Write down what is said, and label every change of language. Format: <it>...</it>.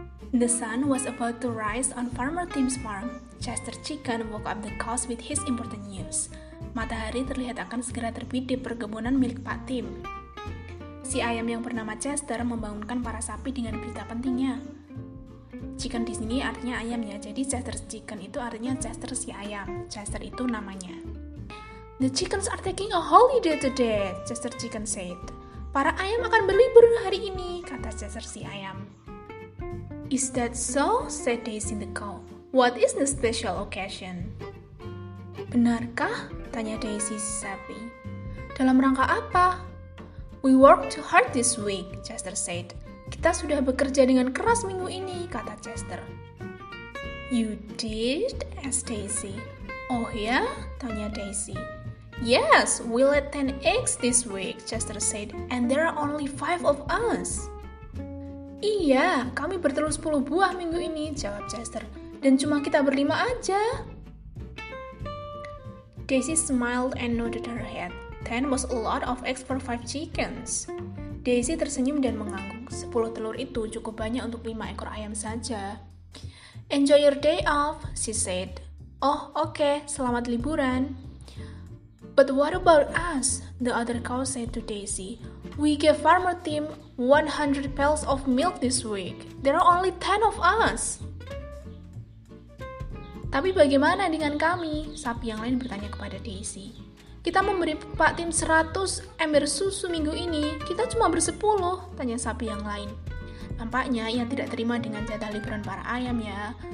<en>The sun was about to rise on Farmer Tim's farm. Chester Chicken woke up the cows with his important news.</en> <id>Matahari terlihat akan segera terbit di perkebunan milik Pak Tim. Si ayam yang bernama Chester membangunkan para sapi dengan berita pentingnya. Chicken di sini artinya ayamnya, jadi Chester Chicken itu artinya Chester si ayam. Chester itu namanya.</id> <en>The chickens are taking a holiday today, Chester Chicken said.</en> <id>Para ayam akan berlibur hari ini, kata Chester si ayam.</id> <en>Is that so? Said Daisy the cow. What is the special occasion?</en> <id>Benarkah? Tanya Daisy si sapi. Dalam rangka apa?</id> <en>We worked too hard this week, Chester said.</en> <id>Kita sudah bekerja dengan keras minggu ini, kata Chester. You did? Asked Daisy. Oh ya? Yeah? Tanya Daisy.</id> <en>Yes, we laid 10 eggs this week, Chester said, and there are only 5 of us.</en> <id>Iya, kami bertelur 10 buah minggu ini, jawab Chester, dan cuma kita berlima aja.</id> <en>Daisy smiled and nodded her head. 10 was a lot of eggs for 5 chickens.</en> <id>Daisy tersenyum dan mengangguk. 10 telur itu cukup banyak untuk 5 ekor ayam saja.</id> <en>Enjoy your day off, she said. Oh, okay,</en> <id>selamat liburan.</id> <en>But what about us? The other cow said to Daisy. We gave Farmer Tim 100 pails of milk this week. There are only 10 of us.</en> <id>Tapi bagaimana dengan kami? Sapi yang lain bertanya kepada Daisy. Kita memberi Pak Tim 100 ember susu minggu ini. Kita cuma bersepuluh, tanya sapi yang lain. Nampaknya ia tidak terima dengan jatah liburan para ayam ya.</id>